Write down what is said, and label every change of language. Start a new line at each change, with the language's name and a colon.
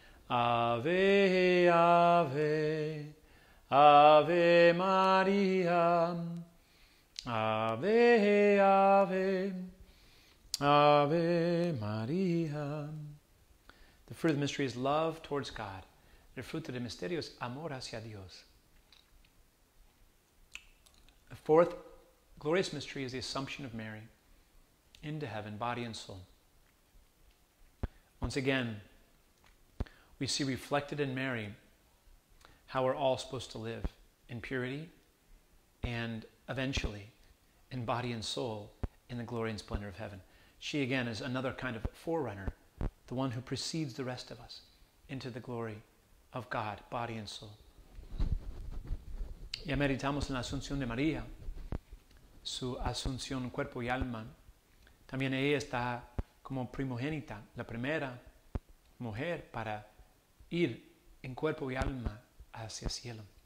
Latin: Ave, Ave, Ave Maria. Ave, Ave, Ave Maria.
English: The fruit of the mystery is love towards God.
Spanish: El fruto del misterio es amor hacia Dios.
English: The fourth glorious mystery is the Assumption of Mary into heaven, body and soul. Once again, we see reflected in Mary how we're all supposed to live in purity and eventually in body and soul in the glory and splendor of heaven. She, again, is another kind of forerunner, the one who precedes the rest of us into the glory of God, body and soul.
Spanish: Ya meditamos en la Asunción de María, su Asunción cuerpo y alma. También ella está como primogénita, la primera mujer para ir en cuerpo y alma hacia el cielo.